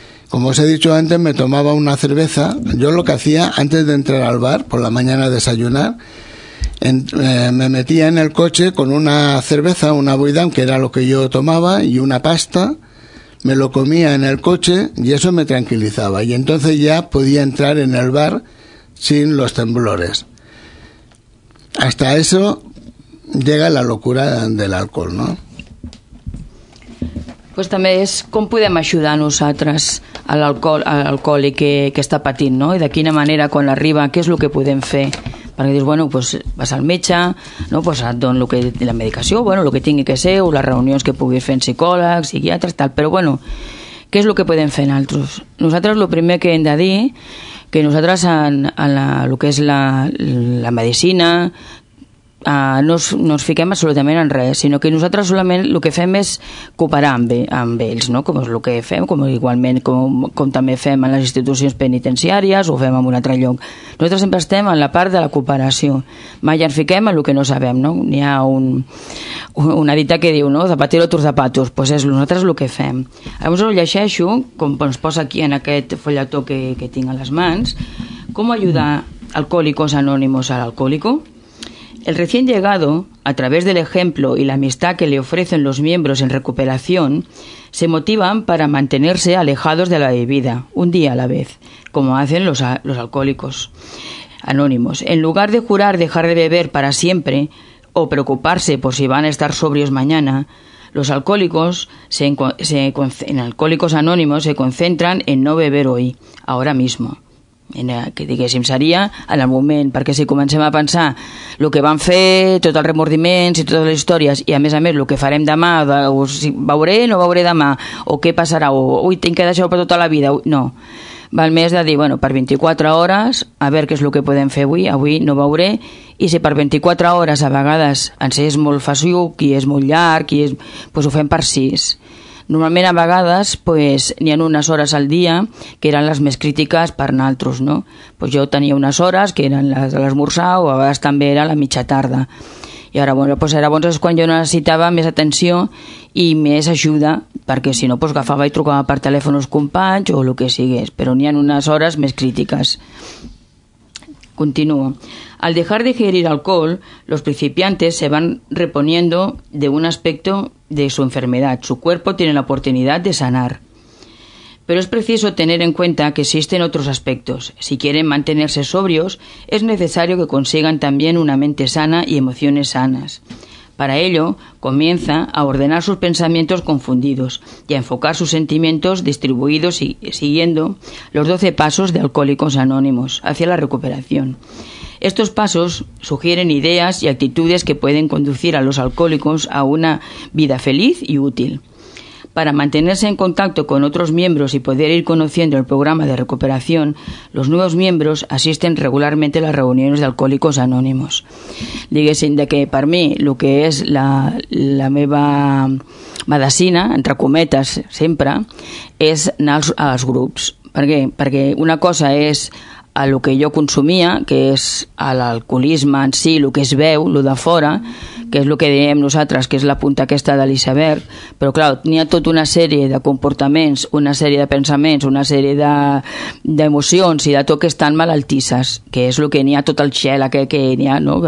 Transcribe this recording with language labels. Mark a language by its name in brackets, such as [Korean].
[Spanish] Como os he dicho antes, me tomaba una cerveza. Yo lo que hacía antes de entrar al bar, por la mañana a desayunar, me metía en el coche con una cerveza, una Buidán, que era lo que yo tomaba, y una pasta. Me lo comía en el coche y eso me tranquilizaba. Y entonces ya podía entrar en el bar sin los temblores. Hasta eso llega la locura del alcohol, ¿no? [Catalan] Pues també és com podem ajudar nosaltres a l'alcohol i que està patint, no? I de quina manera, quan arriba, què és el que podem fer? Perquè dius, bueno, pues vas al metge, no? Pues et dono la medicació, bueno, el que tingui que ser, o les reunions que puguis fer amb psicòlegs, psiquiatres, tal. Però, bueno, què és el que podem fer nosaltres? Nosaltres el primer que hem de dir, que nosaltres en el que és la medicina, no ens fiquem absolutament en res, sinó que nosaltres solament el que fem és cooperar amb ells, no? Com és el que fem, com igualment com també fem en les institucions penitenciàries o fem en un altre lloc. Nosaltres sempre estem en la part de la cooperació, mai ens fiquem en el que no sabem, no? N'hi ha una dita que diu, no? Zapatero tus zapatos, doncs és nosaltres el que fem. Llavors ho llegeixo, com ens posa aquí en aquest folletó que tinc a les mans, com ajudar alcohòlicos anònimos a l'alcohòlico. [Spanish] El recién llegado, a través del ejemplo y la amistad que le ofrecen los miembros en recuperación, se motivan para mantenerse alejados de la bebida, un día a la vez, como hacen los alcohólicos anónimos. En lugar de jurar dejar de beber para siempre o preocuparse por si van a estar sobrios mañana, los alcohólicos en alcohólicos anónimos se concentran en no beber hoy, ahora mismo. [Catalan] Que diguéssim, seria en el moment, perquè si comencem a pensar el que van fer, tots els remordiments i totes les històries, i a més el que farem demà, o si veuré o no veuré demà, o què passarà, o ui, tinc que deixar-ho per tota la vida, no. Val més de dir, bueno, per 24 hores, a veure què és el que podem fer avui no veuré, i si per 24 hores a vegades ens és molt feixuc i és molt llarg, doncs ho fem per 6. Normalment a vegades pues, n'hi ha unes hores al dia que eren les més crítiques per naltros, no? Pues jo tenia unes hores que eren les de l'esmorzar o a vegades també era la mitja tarda. I ara, bueno, pues era bons és quan jo necessitava més atenció i més ajuda, perquè si no, pues agafava i trucava per telèfon als companys o el que sigués, però n'hi ha unes hores més crítiques. [Spanish] Continúo. Al dejar de ingerir alcohol, los principiantes se van reponiendo de un aspecto de su enfermedad. Su cuerpo tiene la oportunidad de sanar. Pero es preciso tener en cuenta que existen otros aspectos. Si quieren mantenerse sobrios, es necesario que consigan también una mente sana y emociones sanas. Para ello, comienza a ordenar sus pensamientos confundidos y a enfocar sus sentimientos distribuidos y siguiendo los 12 pasos de Alcohólicos Anónimos hacia la recuperación. Estos pasos sugieren ideas y actitudes que pueden conducir a los alcohólicos a una vida feliz y útil. Para mantenerse en contacto con otros miembros y poder ir conociendo el programa de recuperación, los nuevos miembros asisten regularmente a las reuniones de Alcohólicos Anónimos. [Catalan] Diguéssim de que per mi el que és la meva medicina, entre cometes sempre, és anar als grups. Per què? Perquè una cosa és a lo que jo consumia, que és l'alcoholisme en si, el que es veu, el de fora, que és el que diem nosaltres, que és la punta aquesta de l'iceberg, però clar, n'hi ha tota una sèrie de comportaments, una sèrie de pensaments, una sèrie d'emocions i de tot que estan malaltisses, que és el que n'hi ha tot el gel aquest que n'hi ha, no?